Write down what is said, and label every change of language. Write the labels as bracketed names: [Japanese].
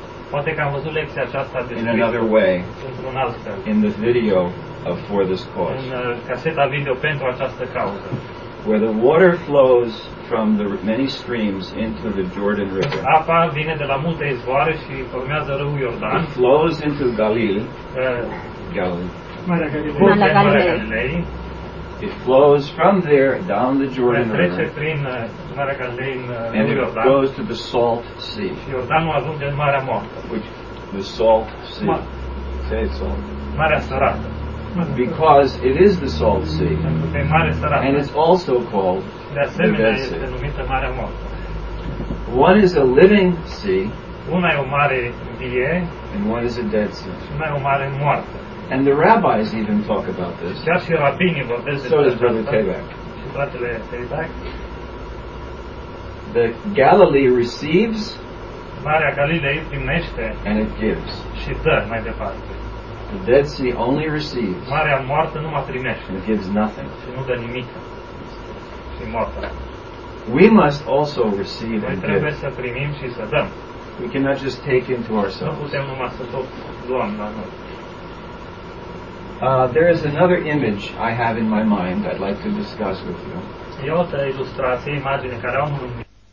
[Romanian] poate că am văzut lecția aceasta [English] in another way, [Romanian] într-un alt fel, [English] in the video of for this cause, [Romanian] în caseta video pentru această cauză, [English] where the water flows from the many streams into the Jordan River. [Romanian] Apa vine de la multe izvoare și formează râul Iordan. [English] It flows into Galilee. [Romanian] Marea Galilei. [English] It flows from there down the Jordan [Romanian] trece [English] River. [Romanian] Trece prin Marea Galilei în [English] and [Romanian] râul Iordan. [English] And it goes to the Salt Sea. [Romanian] Și Iordanul ajunge în Marea Moartă. [English] Which the Salt Sea. Say it salt. [Romanian] Marea Sărată. [English] Because it is the Salt Sea, and it's also called [Romanian] de asemenea, [English] the Dead Sea. [Romanian] Numită Marea Moartă. [English] One is a living sea, [Romanian] una e o mare vie, [English] and one is a dead sea. [Romanian] Și una e o mare moartă. [English] And the rabbis even talk about this. [Romanian] Chiar și rabinii vorbesc. [English] So does Brother Tabak. [Romanian] Și fratele Tabak. [English] The Galilee receives, [Romanian] Marea Galilei primește, [English] and it gives. [Romanian] Și dă mai departe. [English] The Dead Sea only receives. [Romanian] Marea Moartă numai primește. [English] It gives nothing. [Romanian] Și nu dă nimic. Și moartă. [English] We must also receive and give. [Romanian] Noi trebuie să primim și să dăm. [English] We cannot just take into ourselves. [Romanian] Nu putem numai să tot luăm la noi. [English] There is another image I have in my mind I'd like to discuss with you. [Romanian] E o altă ilustrație, imagine care am în minte.